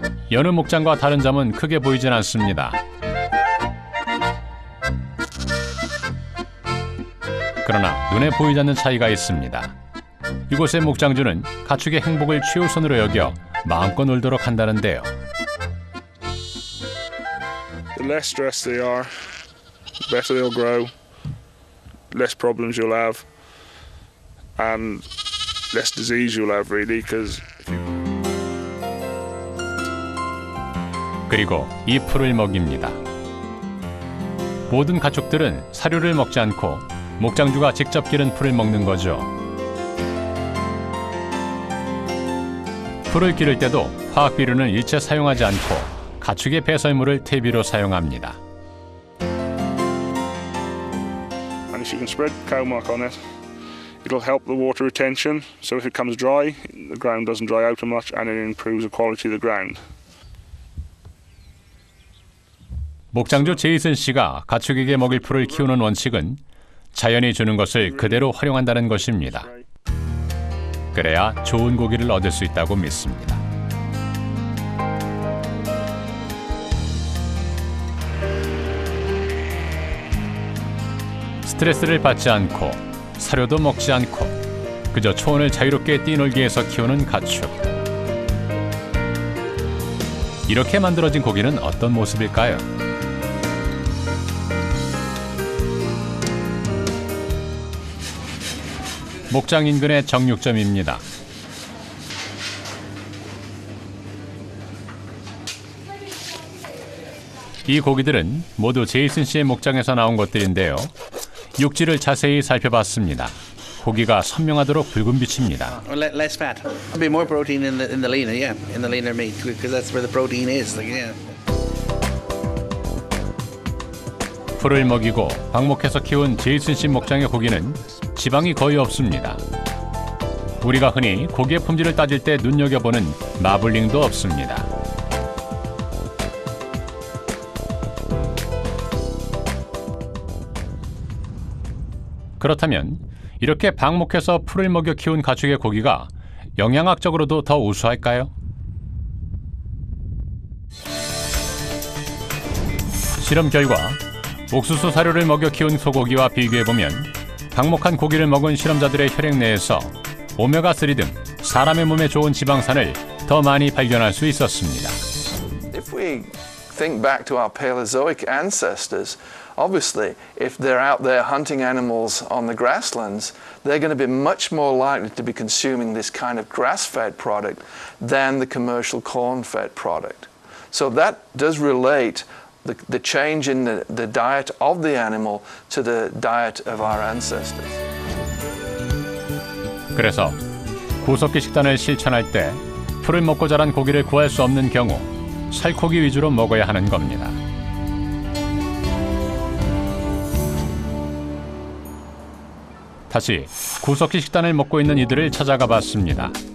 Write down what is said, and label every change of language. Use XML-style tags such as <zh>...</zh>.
<ko>여느 목장과 다른 점은 크게 보이진 않습니다. 그러나 눈에 보이지 않는 차이가 있습니다. 이곳의 목장주는 가축의 행복을 최우선으로 여겨 마음껏 놀도록 한다는데요.</ko> <en>The less stressed they are, better they'll grow, less problems you'll have, and less disease you'll have, really, because.</en> <ko>그리고 이 풀을 먹입니다. 모든 가축들은 사료를 먹지 않고 목장주가 직접 기른 풀을 먹는 거죠. 풀을 기를 때도 화학비료는 일체 사용하지 않고 가축의 배설물을 퇴비로 사용합니다.</ko> <en>And if you can spread cow muck on it, it'll help the water retention. So if it comes dry, the ground doesn't dry out much and it improves the quality of the ground.</en> <ko>목장주 제이슨 씨가 가축에게 먹일 풀을 키우는 원칙은 자연이 주는 것을 그대로 활용한다는 것입니다. 그래야 좋은 고기를 얻을 수 있다고 믿습니다. 스트레스를 받지 않고 사료도 먹지 않고 그저 초원을 자유롭게 뛰놀기에서 키우는 가축. 이렇게 만들어진 고기는 어떤 모습일까요? 목장 인근의 정육점입니다. 이 고기들은 모두 제이슨 씨의 목장에서 나온 것들인데요. 육질을 자세히 살펴봤습니다. 고기가 선명하도록 붉은 빛입니다.</ko> <en>Less fat. There'll be more protein in the leaner, yeah. In the leaner meat because that's where the protein is. Yeah.</en> <ko>풀을 먹이고 방목해서 키운 제이슨 씨 목장의 고기는 지방이 거의 없습니다. 우리가 흔히 고기의 품질을 따질 때 눈여겨보는 마블링도 없습니다. 그렇다면 이렇게 방목해서 풀을 먹여 키운 가축의 고기가 영양학적으로도 더 우수할까요? 실험 결과, 옥수수 사료를 먹여 키운 소고기와 비교해보면 방목한 고기를 먹은 실험자들의 혈액 내에서 오메가3 등 사람의 몸에 좋은 지방산을 더 많이 발견할 수 있었습니다.</ko> <en>If we think back to our Paleozoic ancestors, obviously, if they're out there hunting animals on the grasslands, they're going to be much more likely to be consuming this kind of grass-fed product than the commercial corn-fed product. So that does relate the change in the diet of the animal to the diet of our ancestors.</en> <ko>그래서 구석기 식단을 실천할 때 풀을 먹고 자란 고기를 구할 수 없는 경우 살코기 위주로 먹어야 하는 겁니다. 다시 구석기 식단을 먹고 있는 이들을 찾아가 봤습니다.</ko>